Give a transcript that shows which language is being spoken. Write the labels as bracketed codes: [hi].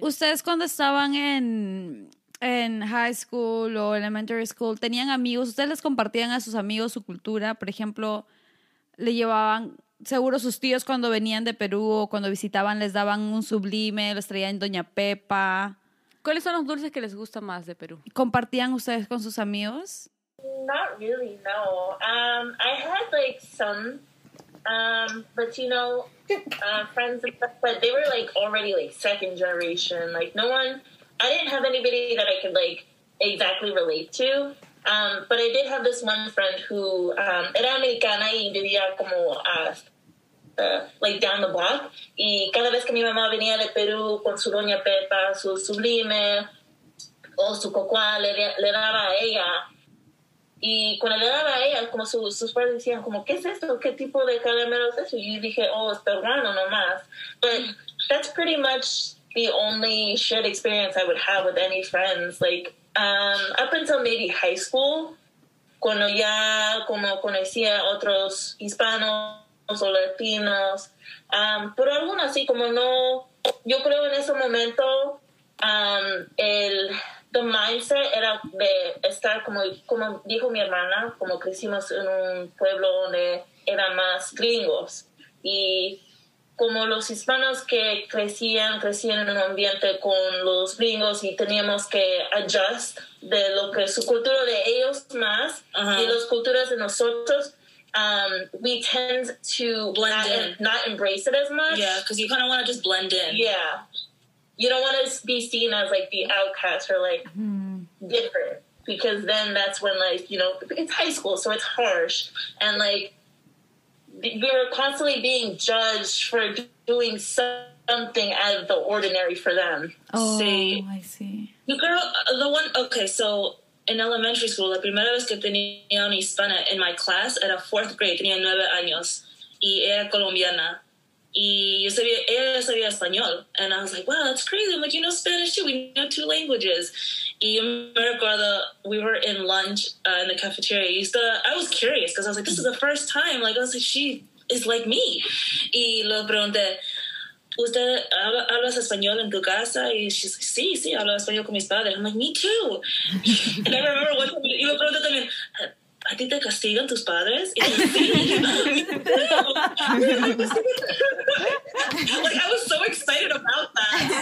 [es] ¿Ustedes cuando estaban en high school o elementary school, tenían amigos? ¿Ustedes les compartían a sus amigos su cultura? Por ejemplo, ¿le llevaban, seguro sus tíos cuando venían de Perú o cuando visitaban les daban un sublime, les traían Doña Pepa? ¿Cuáles son los dulces que les gusta más de Perú? ¿Compartían ustedes con sus amigos? [en] Not really, no. I had like some Latino friends, but they were like already like second generation. Like I didn't have anybody that I could like exactly relate to. But I did have this one friend who [es] era americana y vivía como [en] like down the block. Y cada vez que mi mamá venía de Perú con su Doña Pepa, su sublime o su cocoa, le daba a ella. Y cuando le daba a ella, como sus padres decían, como, ¿qué es esto? ¿Qué tipo de caramelo es eso? Y yo dije, oh, es peruano nomás. But that's pretty much the only shared experience I would have with any friends. Like, up until maybe high school, [es] cuando ya como conocía otros hispanos o latinos. Pero aún así, como no, yo creo en ese momento, [en] the mindset [es] era de estar como dijo mi hermana, como crecimos en un pueblo donde eran más gringos. Y como los hispanos que crecían en un ambiente con los gringos y teníamos que adjust de lo que su cultura de ellos más y las culturas de nosotros, [en] we tend to blend in, not embrace it as much. Yeah, because you kind of want to just blend in. Yeah. You don't want to be seen as, like, the outcast or, like, different. Because then that's when, like, you know, it's high school, so it's harsh. And, like, we're constantly being judged for doing something out of the ordinary for them. Oh, see, I see. The girl, the one, okay, so in elementary school, [es] la primera vez que tenía una hispana [en] in my class, [es] era [en] fourth grade, [es] tenía 9 años, y era colombiana. Y ella sabía español. [en] And I was like, wow, that's crazy. I'm like, you know Spanish too. We know two languages. [es] Y yo me recuerdo, [en] we were in lunch in the cafeteria. I was curious because I was like, this is the first time. Like, I was like, she is like me. [es] Y le pregunté, ¿usted hablas español en tu casa? Y [en] she's like, [es] sí, sí, hablo español con mis padres. [en] I'm like, me too. And I remember one time, [es] y me pregunté también, ¿a ti te castigan tus padres? [en] Like, I was so excited about that.